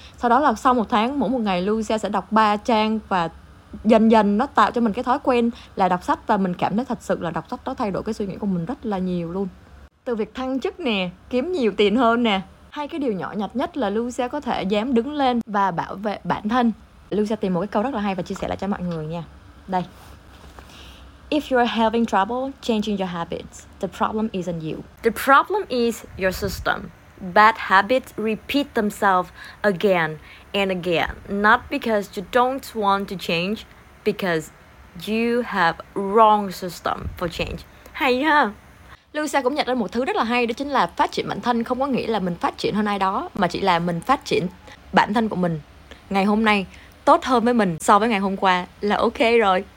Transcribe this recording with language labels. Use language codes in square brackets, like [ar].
[vi] Sau đó là sau một tháng, mỗi một ngày Lucia sẽ đọc 3 trang và dần dần nó tạo cho mình cái thói quen là đọc sách. Và mình cảm thấy thật sự là đọc sách đó thay đổi cái suy nghĩ của mình rất là nhiều luôn. Từ việc thăng chức nè, kiếm nhiều tiền hơn nè, hay cái điều nhỏ nhặt nhất là Lucia có thể dám đứng lên và bảo vệ bản thân. Lucia tìm một cái câu rất là hay và chia sẻ lại cho mọi người nha. [en] Đây: If you're having trouble changing your habits, the problem isn't you. The problem is your system. Bad habits repeat themselves again and again, not because you don't want to change, because you have wrong system for change. [vi] Hay ha. Lucia cũng nhận ra một thứ rất là hay, đó chính là phát triển bản thân không có nghĩa là mình phát triển hơn ai đó, mà chỉ là mình phát triển bản thân của mình ngày hôm nay tốt hơn với mình so với ngày hôm qua là ok rồi.